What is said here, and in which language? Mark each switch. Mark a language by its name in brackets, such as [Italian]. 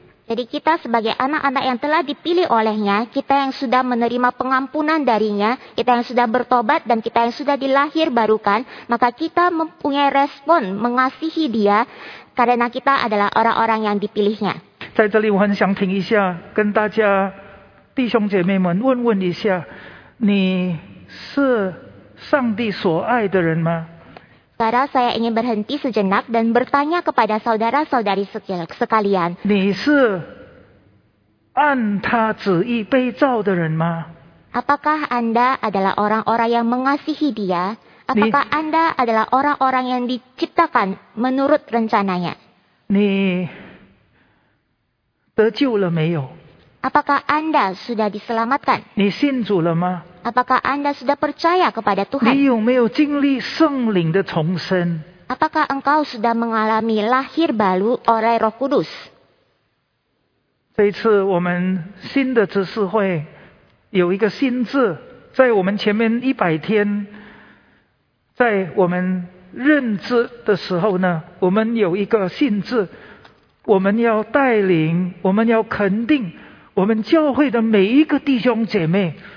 [Indonesian] Jadi kita sebagai anak-anak yang telah dipilih olehnya, kita yang sudah menerima pengampunan darinya, kita yang sudah bertobat dan kita yang sudah dilahirbarukan, maka kita mempunyai respon mengasihi dia karena kita adalah orang-orang yang dipilihnya. [Chinese] 在这里我很想听一下，跟大家弟兄姐妹们问问一下，你是上帝所爱的人吗？ [Indonesian] Sekarang saya ingin berhenti sejenak dan bertanya kepada saudara-saudari sekalian. [Chinese] 你是按他旨意被造的人吗? [Indonesian] Apakah Anda adalah orang-orang yang mengasihi dia? Apakah Anda adalah orang-orang yang diciptakan menurut rencananya? [Chinese] 你得救了没有? [Indonesian] Apakah Anda sudah diselamatkan? [Chinese] 你信主了吗? [Indonesian] Apakah Anda sudah percaya kepada Tuhan? [Chinese] 你有没有经历圣灵的重生? [Indonesian] Apakah engkau sudah mengalami lahir baru oleh Roh Kudus? [Chinese] 这一次我们新的执事会有一个信字，在我们前面一百天，在我们认知的时候呢，我们有一个信字，我们要带领，我们要肯定，我们教会的每一个弟兄姐妹。